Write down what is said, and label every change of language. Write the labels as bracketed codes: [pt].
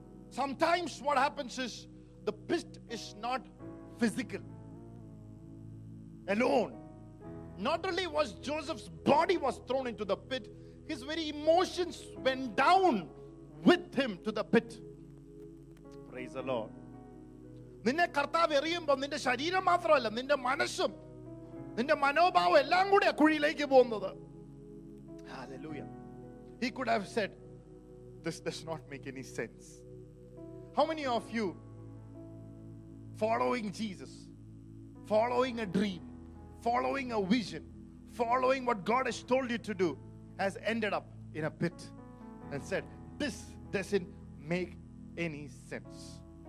[en] Sometimes what happens is the pit is not physical. Alone. Not only was Joseph's body was thrown into the pit, his very emotions went down with him to the pit. Praise the Lord. [ml] നിന്റെ കർത്താവ് എറിയുമ്പോൾ നിന്റെ ശരീരം മാത്രമല്ല നിന്റെ മനസ്സും നിന്റെ മനോഭാവം എല്ലാം കൂടി കുഴിയിലേക്ക് പോകുന്നത്. [en] Hallelujah. He could have said, this does not make any sense. How many of you following Jesus, following a dream, following a vision, following what God has told you to do, has ended up in a pit and said, this doesn't make any sense.